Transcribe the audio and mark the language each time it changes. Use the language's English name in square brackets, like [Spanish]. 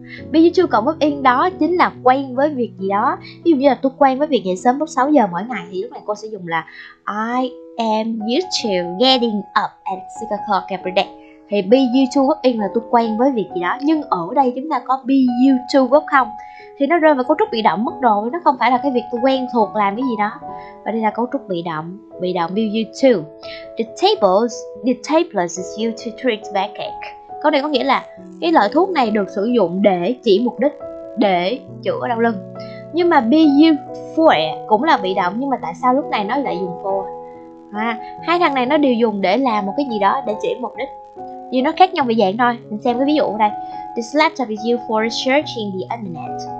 [Vietnamese] Be used to cộng verb in đó chính là quen với việc gì đó. Ví dụ như là tôi quen với việc dậy sớm lúc 6 giờ mỗi ngày, thì lúc này cô sẽ dùng là [English] I am used to getting up at 6 o'clock every day. [Vietnamese] Thì be you to verb in là tôi quen với việc gì đó. Nhưng ở đây chúng ta có be you to verb không, thì nó rơi vào cấu trúc bị động mất rồi. Nó không phải là cái việc tôi quen thuộc làm cái gì đó. Và đây là cấu trúc bị động. Bị động be you to. [English] The tablet is used to treat backache. [Vietnamese] Câu này có nghĩa là cái loại thuốc này được sử dụng để chỉ mục đích, để chữa đau lưng. Nhưng mà be you for cũng là bị động. Nhưng mà tại sao lúc này nó lại dùng for? À, hai thằng này nó đều dùng để làm một cái gì đó, để chỉ mục đích. Vì nó khác nhau về dạng thôi. Mình xem cái ví dụ ở đây. [English] This laptop is used for searching the internet.